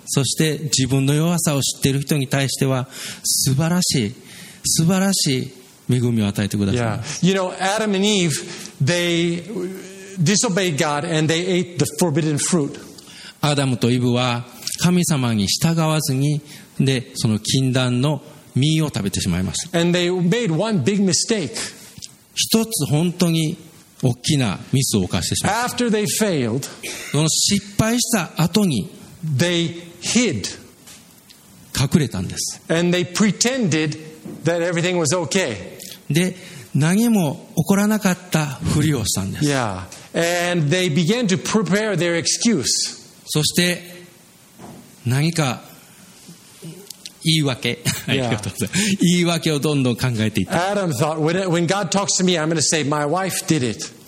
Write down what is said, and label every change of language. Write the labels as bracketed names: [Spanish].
[Japanese] そして自分の弱さを知っている人に対しては素晴らしい素晴らしい恵みを与えてください。 [English] Yeah. You know, Adam and Eve, they disobeyed God and they ate the forbidden fruit. [Japanese] アダムとイブは神様に従わずにでその禁断の実を食べてしまいました。 [English] And they made one big mistake. [Japanese] 一つ本当に大きなミスを犯してしまった。 [English] After they failed, [Japanese] その失敗した後に [English] they hid. [Japanese] 隠れたんです。 [English] And they pretended that everything was okay. [Japanese] で何も起こらなかったふりをしたんです。 [English] Yeah. And they began to prepare their excuse. [Japanese] そして何か言い訳、言い訳をどんどん考えていった。 [English] Adam thought, when God talks to me, I'm going to say, my wife did it.